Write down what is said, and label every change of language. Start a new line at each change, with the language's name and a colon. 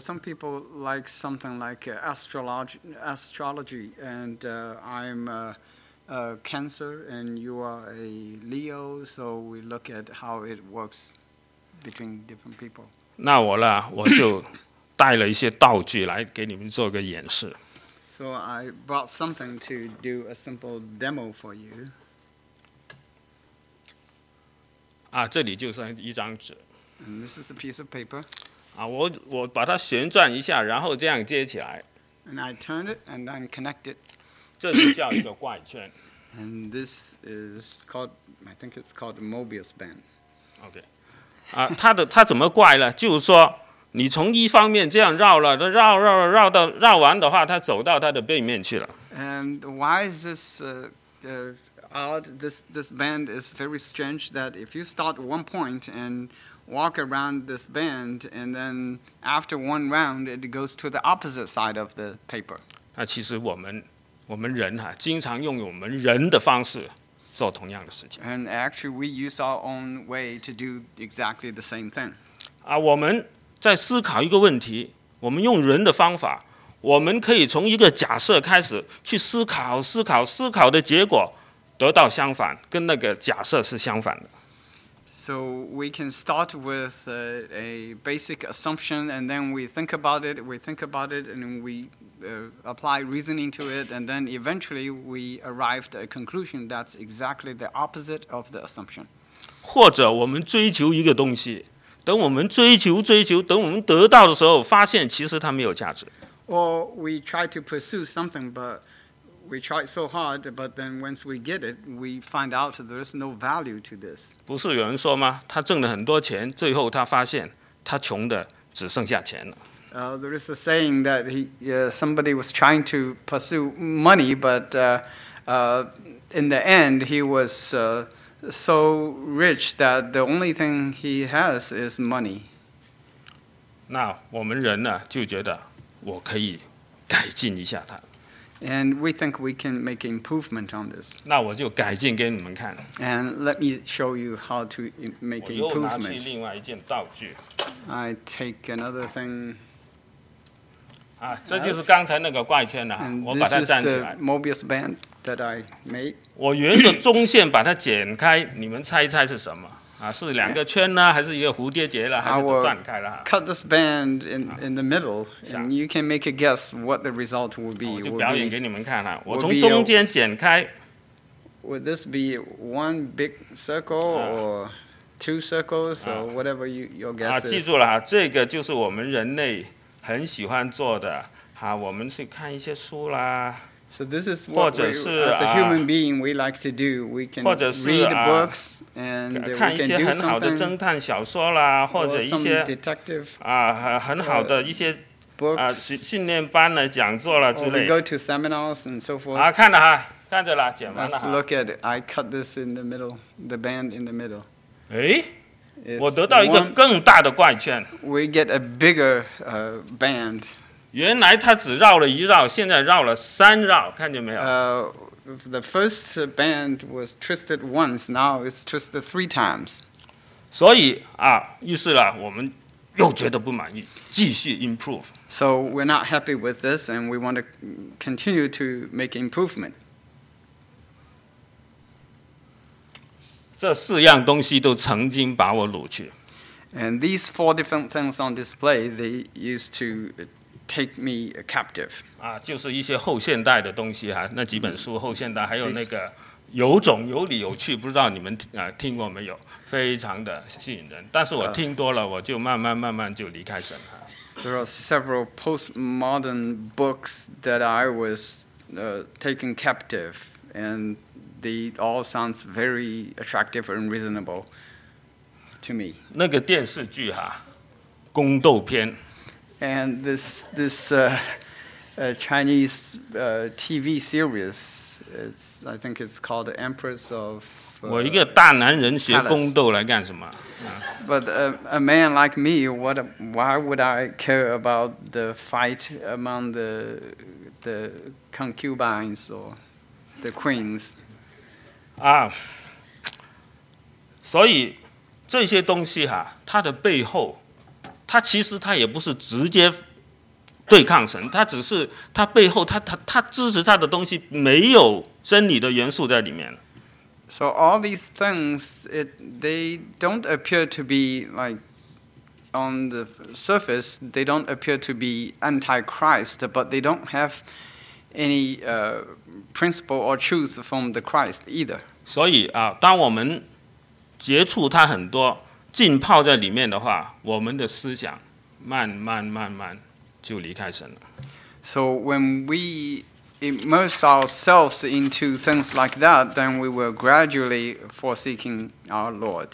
English: Some people like something like astrology, and I'm a Cancer, and you are a Leo, so we look at how it works between different people.
Chinese: 那我呢，我就带了一些道具来给你们做个演示。
English: So I brought something to do a simple demo for you.
Chinese: 啊，这里就是一张纸。
English: And this is a piece of paper.
Chinese: 啊，我把它旋转一下，然后这样接起来。
English: And I turn it and then connect it.
Chinese: 这就叫一个怪圈。
English: And this is called, I think it's called a Mobius band.
Chinese: Okay. 啊，它怎么怪呢？就是说，你从一方面这样绕了，它绕完的话，它走到它的背面去了。
English: And why is this odd? This band is very strange. That if you start one point and walk around this band, and then after one round, it goes to the opposite side of the paper.
Chinese: 那其实我们人哈，经常用我们人的方式做同样的事情。
English: And actually, we use our own way to do exactly the same thing.
Chinese: 啊，我们在思考一个问题，我们用人的方法，我们可以从一个假设开始去思考，思考，思考的结果得到相反，跟那个假设是相反的。
English: So we can start with a basic assumption, and then we think about it, and we apply reasoning to it, and then eventually we arrived at a conclusion that's exactly the opposite of the assumption.
Chinese: 或者我们追求一个东西，等我们追求，等我们得到的时候，发现其实它没有价值。
English: Or we try to pursue something, but we try so hard, but then once we get it, we find out there is no value to this.
Chinese: 不是有人说吗？他挣了很多钱，最后他发现他穷的只剩下钱了。
English: There is a saying that somebody was trying to pursue money, but in the end, he was so rich that the only thing he has is money.
Chinese: 那我们人呢，就觉得我可以改进一下他。
English: And we think we can make improvement on this.
Chinese: 那我就改进给你们看。
English: And let me show you how to make improvement.
Chinese: 我又拿去另外一件道具。
English: I take another thing.
Chinese: 啊，这就是刚才那个怪圈了，我把它站起来。
English: This is the Mobius band that I made.
Chinese: 我沿着中线把它剪开，你们猜一猜是什么？啊，是两个圈呢，还是一个蝴蝶结了，还是都断开了？
English: Cut this band in the middle, and you can make a guess what the result will be.
Chinese: 我就表演给你们看了，我从中间剪开。
English: Would this be one big circle or two circles or whatever your guess is?
Chinese: 记住了，这个就是我们人类很喜欢做的。我们去看一些书啦。
English: So this is what we, as a human being, we like to do. We can read books and we can do something.
Chinese: 看一些很好的侦探小说啦，或者一些
English: detective,
Chinese: 很好的一些
English: books,
Chinese: 训练班的讲座啦之类。
English: We go to seminars and so forth.
Chinese: 看着哈，看着啦，剪完了。
English: Let's look at it. I cut this in the middle, the band in the middle.
Chinese: 我得到一个更大的怪圈。
English: We get a bigger band.
Chinese: 原来它只绕了一绕，现在绕了三绕，看见没有？
English: The first band was twisted once, now it's twisted three times.
Chinese: 所以于是呢，我们又觉得不满意，继续 improve.
English: So we're not happy with this, and we want to continue to make improvement.
Chinese: 这四样东西都曾经把我掳去。
English: And these four different things on display, they used to. Take me captive.
Chinese: 就是一些后现代的东西哈，那几本书后现代，还有那个有种有理有趣，不知道你们听过没有？非常的吸引人。但是我听多了，我就慢慢就离开神哈。
English: There are several postmodern books that I was taken captive, and they all sounds very attractive and reasonable to me.
Chinese: 那个电视剧哈，宫斗片。
English: And this Chinese TV series, I think it's called the Empress of.
Chinese: 我一个大男人学宫斗来干什么？
English: But a man like me, why would I care about the fight among the concubines or the queens?
Chinese: 所以这些东西哈，它的背后。他其实他也不是直接对抗神，他只是他背后他支持他的东西没有真理的元素在里面。
English: So all these things, they don't appear to be like on the surface. They don't appear to be anti-Christ, but they don't have any principle or truth from the Christ either.
Chinese: 所以当我们接触他很多。浸泡在里面的话，我们的思想慢慢就离开神了。
English: So when we immerse ourselves into things like that, then we will gradually forsaking our Lord.